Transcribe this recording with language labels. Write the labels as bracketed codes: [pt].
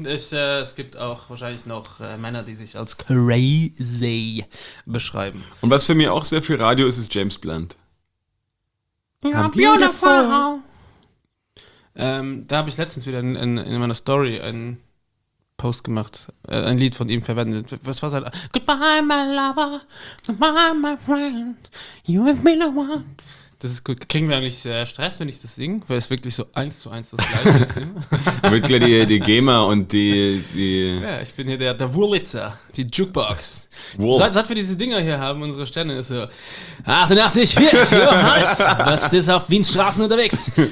[de] Es gibt auch wahrscheinlich noch Männer, die sich als crazy beschreiben. Und was für mich auch sehr viel Radio ist James Blunt. Ja, beautiful. Da habe ich letztens wieder in meiner Story ein Post gemacht, ein Lied von ihm verwendet. Was war sein? [en] Goodbye, my lover, goodbye, my friend, you have been the one. [de] Das ist gut. Kriegen wir eigentlich Stress, wenn ich das singe? Weil es wirklich so eins zu eins das Gleiche ist. Mit gleich die Gamer und die... Ja, ich bin hier der Wurlitzer, die Jukebox. Wow. Seit wir diese Dinger hier haben, unsere Sterne, ist so... 88, 4, Johannes, was ist auf Wiens Straßen unterwegs?